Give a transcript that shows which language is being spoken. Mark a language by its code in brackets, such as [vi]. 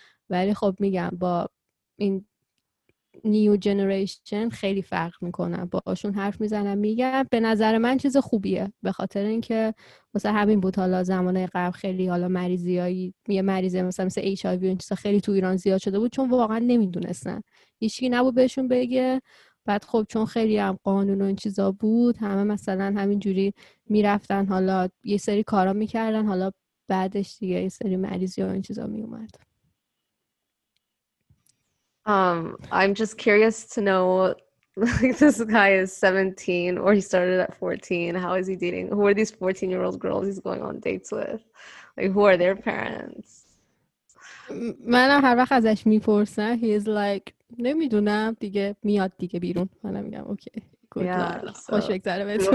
[fa] ولی خب میگم با این نیو جنریشن خیلی فرق میکنم، باشون حرف میزنم، میگم به نظر من چیز خوبیه، به خاطر اینکه مثلا همین بود حالا زمانه قبل خیلی حالا مریضیایی یه مریضه مثلا ایچ آی وی این چیزا خیلی تو ایران زیاد شده بود، چون واقعا نمیدونستن، هیچکی نبود بهشون بگه، بعد خب چون خیلی هم قانون و این چیزا بود، همه مثلا همین جوری میرفتن حالا یه سری کارا میکردن، حالا بعدش دیگه یه سری مریضی و این چیزا میومد. [en] I'm just curious to know, like, this guy is 17 or he started at 14. How is he dating? Who are these 14-year-old girls he's going on dates with? Like, who are their parents? [fa] من هر وقت ازش میپرسم [en] he's like [fa] نمیدونم دیگه، میاد دیگه بیرون، من میگم اوکی [en] good luck, [fa] خوش بگذره بهتون،